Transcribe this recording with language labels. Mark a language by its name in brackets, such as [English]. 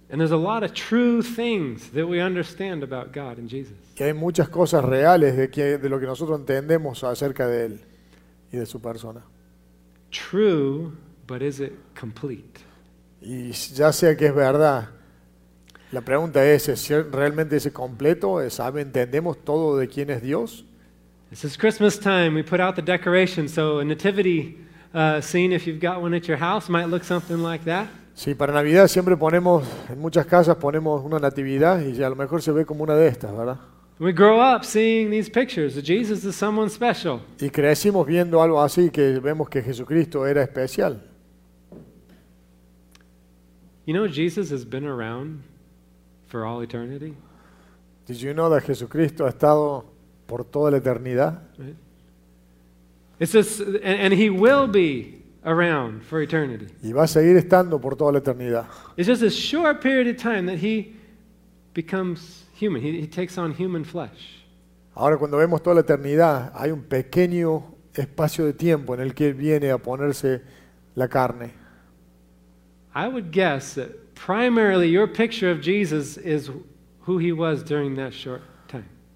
[English] And there's a lot of true things that we understand about God and Jesus. [Spanish] Y hay muchas cosas reales de lo que nosotros entendemos acerca de él y de su persona. [English] True, but is it complete? [Spanish] Y ya sea que es verdad, la pregunta es ¿realmente es completo? ¿Sabe, entendemos todo de quién es Dios? [English] This is Christmas time. We put out the decorations, so a nativity scene, if you've got one at your house, might look something like that. [Spanish] Sí, para Navidad siempre ponemos, en muchas casas ponemos una natividad y a lo mejor se ve como una de estas, ¿verdad? [English] We grow up seeing these pictures. Jesus is someone special. [Spanish] Y crecimos viendo algo así, que vemos que Jesucristo era especial. [English] You know Jesus has been around for all eternity. Did you know that [Spanish] Jesucristo ha estado por toda la eternidad? [English] Right. It's just, and he will be around for eternity. [Spanish] Y va a seguir estando por toda la eternidad. [English] It's just a short period of time that he becomes human. He takes on human flesh. [Spanish] Ahora cuando vemos toda la eternidad, hay un pequeño espacio de tiempo en el que él viene a ponerse la carne. [English] I would guess that primarily your picture of Jesus is who he was during that short time.